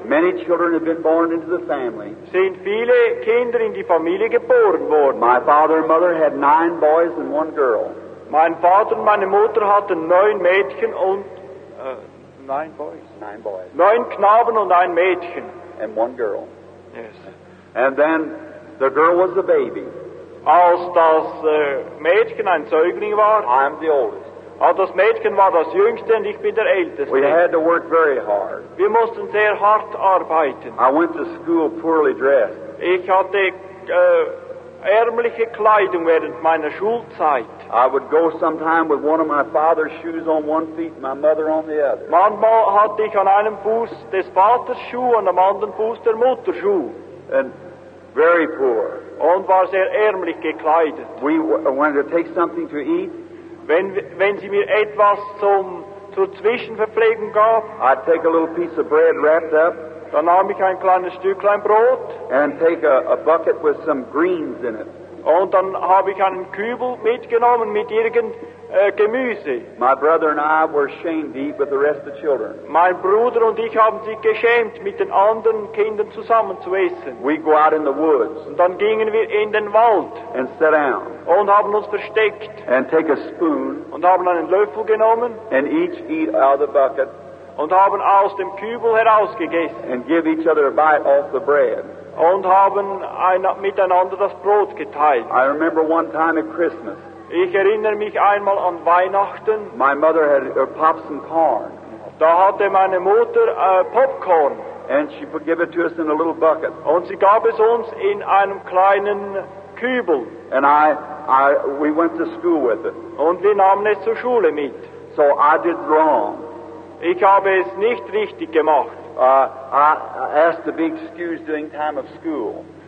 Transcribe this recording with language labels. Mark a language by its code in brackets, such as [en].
[en] Many children have been born into the family. [de] Sind viele Kinder in die Familie geboren worden. [en] My father and mother had 9 boys and 1 girl. [de] Mein Vater und meine Mutter hatten 9 Mädchen und [en] 9 boys. [de] 9 Knaben und ein Mädchen. [en] And 1 girl. Yes. And then the girl was the baby. [de] Als das Mädchen ein Säugling war. [en] I'm the oldest. [de] Als das Mädchen war das Jüngste und ich bin der Älteste. [en] We had to work very hard. [de] Wir mussten sehr hart arbeiten. [en] I went to school poorly dressed. [de] Ich hatte ärmliche Kleidung während meiner Schulzeit. [en] I would go sometime with one of my father's shoes on one feet and my mother on the other. [de] Manchmal hatte ich an einem Fuß des Vaters Schuh und am anderen Fuß der Mutter Schuh. [en] And very poor. [de] Und war sehr ärmlich gekleidet. [en] We wanted to take something to eat. [de] Wenn sie mir etwas zur Zwischenverpflegung gab, [en] I'd take a little piece of bread wrapped up. [de] Dann nahm ich ein kleines Stücklein Brot. [en] And take a bucket with some greens in it. [de] Und dann habe ich einen Kübel mitgenommen mit irgendeinem Gemüse. [en] My brother and I were ashamed to eat with the rest of the children. [de] Mein Bruder und ich haben sich geschämt, mit den anderen Kindern zusammen zu essen. [en] We go out in the woods. [de] Und dann gingen wir in den Wald. [en] And sit down. [de] Und haben uns versteckt. [en] And take a spoon. [de] Und haben einen Löffel genommen. [en] And each eat out of the bucket. [de] Und haben aus dem Kübel herausgegessen. [en] And give each other a bite off the bread. [de] Und haben miteinander das Brot geteilt. [en] I remember one time at Christmas. [de] Ich erinnere mich einmal an Weihnachten. [en] My mother had her pop some corn. [de] Da hatte meine Mutter Popcorn. [en] And she gave it to us in a little bucket. [de] Und sie gab es uns in einem kleinen Kübel. [en] And we went to school with it. [de] Und wir nahmen es zur Schule mit. [en] So I did wrong. [de] Ich habe es nicht richtig gemacht. [en] I asked to be excused during time of school.